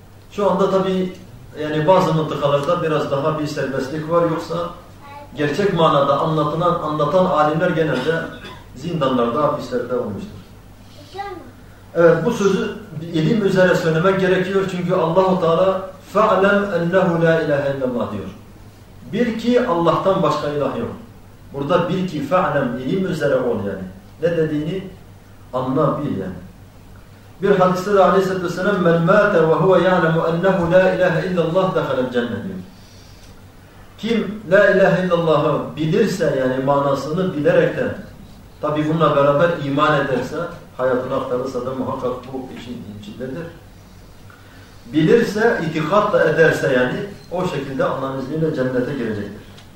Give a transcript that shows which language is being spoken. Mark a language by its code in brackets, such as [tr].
[tr] Şu anda tabii yani bazı mıntıkalarda biraz daha bir serbestlik var. Yoksa gerçek manada anlatan alimler genelde zindanlarda, hapislerde olmuştur. Evet, bu sözü ilim üzere söylemek gerekiyor. Çünkü Allah-u Teala [ar] فَعْلَمْ اَنَّهُ لَا اِلَٰهَ اِلَّا اللّٰهِ [tr] diyor. Bil ki Allah'tan başka ilah yok. Burada bil ki فَعْلَمْ ilim üzere ol yani. Ne dediğini anla, bil yani. Bir hadiste de aleyhissalatü vesselam [ar] مَنْ مَاتَ وَهُوَ يَعْلَمُ أَنَّهُ لَا اِلَٰهَ اِلَّا اللّٰهِ دَخَلَ الْجَنَّةِ [tr] diyor. Kim la ilahe illallah'ı bilirse, yani manasını bilerekten, tabi bununla beraber iman ederse, hayatını aktarırsa da muhakkak bu için içindedir. Bilirse, itikad da ederse yani, o şekilde Allah'ın izniyle cennete girecektir.